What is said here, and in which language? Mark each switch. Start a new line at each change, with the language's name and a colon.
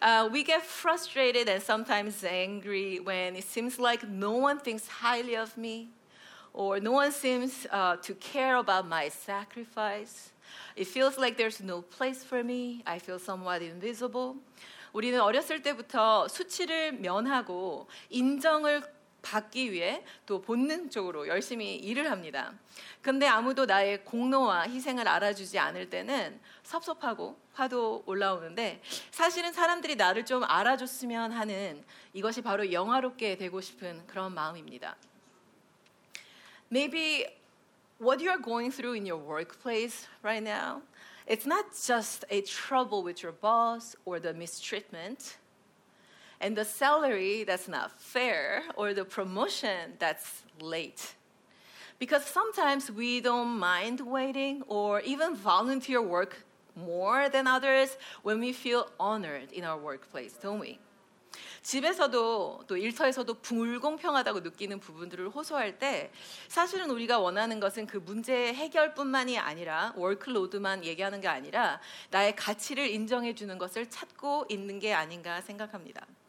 English: We get frustrated and sometimes angry when it seems like no one thinks highly of me, or no one seems to care about my sacrifice. It feels like there's no place for me. I feel somewhat invisible.
Korean: 우리는 어렸을 때부터 수치를 면하고 인정을 받기 위해 또 본능적으로 열심히 일을 합니다. 근데 아무도 나의 공로와 희생을 알아주지 않을 때는 섭섭하고 화도 올라오는데 사실은 사람들이 나를 좀 알아줬으면 하는 이것이 바로 영화롭게 되고 싶은 그런 마음입니다.
English: Maybe what you are going through in your workplace right now, it's not just a trouble with your boss or the mistreatment and the salary that's not fair or the promotion that's late. Because sometimes we don't mind waiting or even volunteer work more than others when we feel honored in our workplace, don't we?
Korean: 집에서도 또 일터에서도 불공평하다고 느끼는 부분들을 호소할 때 사실은 우리가 원하는 것은 그 문제 해결뿐만이 아니라 워크로드만 얘기하는 게 아니라 나의 가치를 인정해 주는 것을 찾고 있는 게 아닌가 생각합니다.